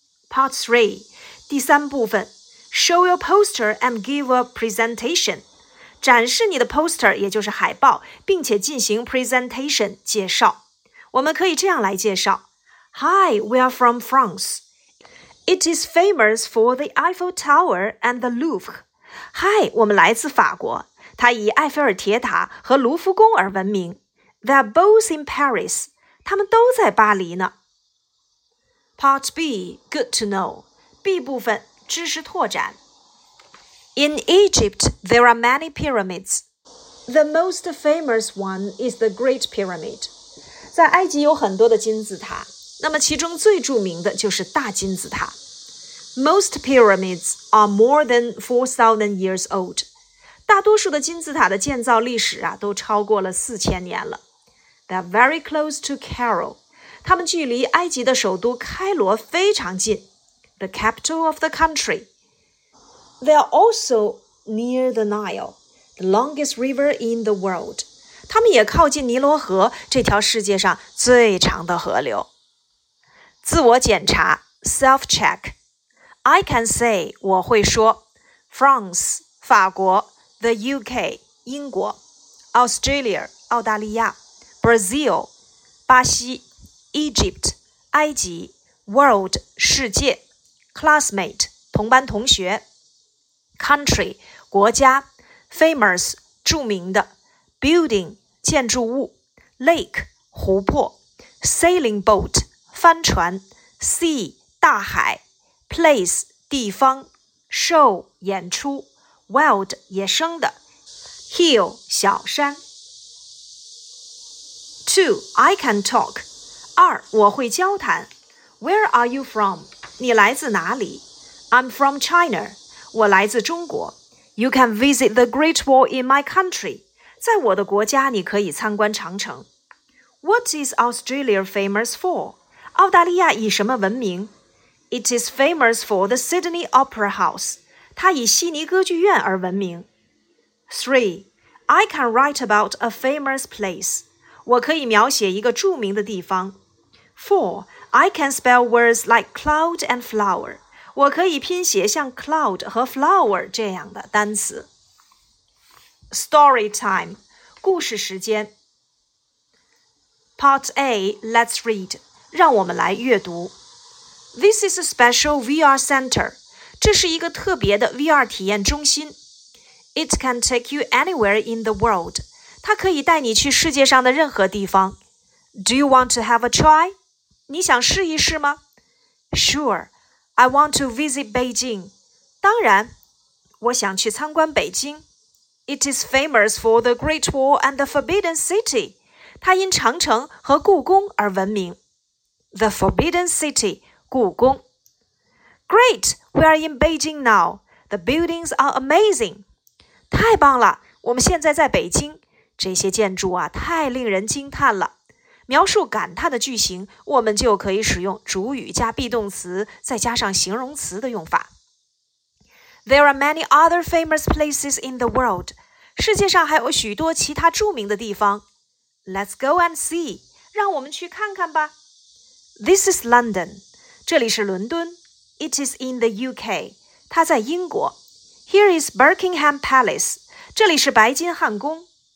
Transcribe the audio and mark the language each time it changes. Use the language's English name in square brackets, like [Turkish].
[Chinese] Part 3第三部分。 [English] Show your poster and give a presentation， [Chinese] 展示你的 poster 也就是海报，并且进行 presentation 介绍。我们可以这样来介绍。 [English] Hi, we are from France. It is famous for the Eiffel Tower and the Louvre. [Chinese] Hi, 我们来自法国，它以埃菲尔铁塔和卢浮宫而闻名。 [English] They are both in Paris. [Chinese] 他们都在巴黎呢。 [English] Part B, good to know. [Chinese] B 部分，知识拓展。 [English] In Egypt, there are many pyramids. The most famous one is the Great Pyramid. [Chinese] 在埃及有很多的金字塔，那么其中最著名的就是大金字塔。 [English] Most pyramids are more than 4,000 years old. [Chinese] 大多数的金字塔的建造历史啊，都超过了4000年了。 [English] They are very close to Cairo. [Chinese] 它们距离埃及的首都开罗非常近。 [English] The capital of the country. They are also near the Nile, the longest river in the world. [Chinese] 他们也靠近尼罗河，这条世界上最长的河流。自我检查 ,self-check. I can say, 我会说 France, 法国 ,the UK, 英国 ,Australia, 澳大利亚 ,Brazil, 巴西 ,Egypt, 埃及 ,world, 世界 ,classmate, 同班同学。 Country, 国家 famous, 著名的 building, 建筑物 lake, 湖泊 sailing boat, 帆船 sea, 大海 place, 地方 show, 演出 wild, 野生的 hill, 小山 2. I can talk 二我会交谈 [English] Where are you from? [Chinese] 你来自哪里 [English] I'm from China [Chinese] 我来自中国。 [English] You can visit the Great Wall in my country. [Chinese] 在我的国家你可以参观长城。 [English] What is Australia famous for? [Chinese] 澳大利亚以什么闻名？ [English] It is famous for the Sydney Opera House. [Chinese] 它以悉尼歌剧院而闻名。 [English] 3. I can write about a famous place. [Chinese] 我可以描写一个著名的地方。 4. [English] I can spell words like cloud and flower. [Chinese] 我可以拼写像 cloud 和 flower 这样的单词。 [English] Story time, [Chinese] 故事时间。 [English] Part A, let's read. [Chinese] 让我们来阅读。 [English] This is a special VR center. [Chinese] 这是一个特别的 VR 体验中心。 [English] It can take you anywhere in the world. [Chinese] 它可以带你去世界上的任何地方。 [English] Do you want to have a try? [Chinese] 你想试一试吗？ [English] Sure. I want to visit Beijing. [Chinese] 当然，我想去参观北京。 [English] It is famous for the Great Wall and the Forbidden City. [Chinese] 它因长城和故宫而闻名。 [English] The Forbidden City, [Chinese] 故宫。 [English] Great! We are in Beijing now. The buildings are amazing. [Chinese] 太棒了，我们现在在北京。这些建筑啊，太令人惊叹了。描述感叹的句型，我们就可以使用主语加 be 动词，再加上形容词的用法。 [English] There are many other famous places in the world. [Chinese] 世界上还有许多其他著名的地方。 [English] Let's go and see. [Chinese] 让我们去看看吧。 [English] This is London. [Chinese] 这里是伦敦。 [English] It is in the UK. [Chinese] 它在英国。 [English] Here is Buckingham Palace. [Chinese] 这里是白金汉宫。